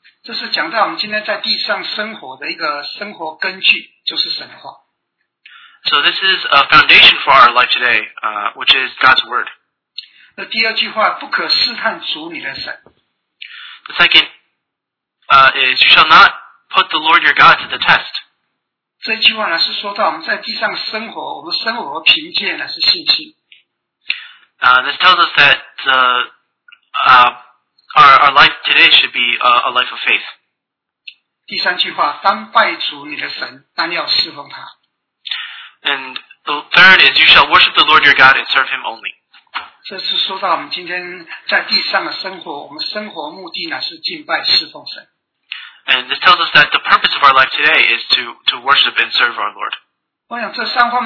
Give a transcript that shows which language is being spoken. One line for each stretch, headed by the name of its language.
English: And so this is a foundation for our life today, which is God's Word.
Chinese: 那第二句话,
English: the second is, you shall not put the Lord your God to the test.
Chinese: 这句话呢, 是说到我们在地上生活, 我们生活凭借呢, 是信心。
English: This tells us that our life today should be a life of faith.
Chinese: 第三句话, 当拜主你的神, 当要侍奉他。
English: And the third is, you shall worship the Lord your God and serve him only.
Chinese: 这是说到我们今天在地上的生活, 我们生活目的呢, 是敬拜侍奉神。
English: And this tells us that the purpose of our life today is to worship and serve our Lord.